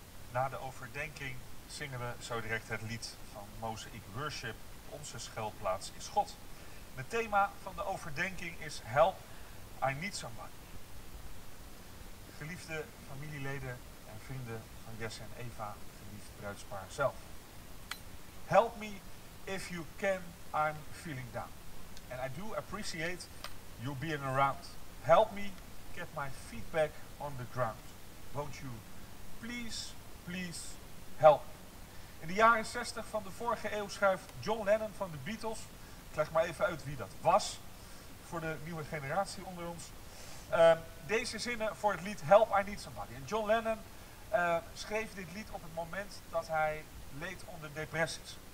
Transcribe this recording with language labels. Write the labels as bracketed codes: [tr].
[nl] Na de overdenking zingen we zo direct het lied van Mosaic Worship, Onze Schuilplaats is God. Het thema van de overdenking is Help, I Need Somebody. Geliefde familieleden en vrienden van Jesse en Eva, geliefd bruidspaar zelf. [en] Help me if you can, I'm feeling down. And I do appreciate you being around. Help me get my feedback on the ground. Won't you please, please help. [nl] In de jaren 60 van de vorige eeuw schuift John Lennon van de Beatles, ik leg maar even uit wie dat was, voor de nieuwe generatie onder ons, deze zinnen voor het lied Help I Need Somebody. En John Lennon schreef dit lied op het moment dat hij leed onder depressies.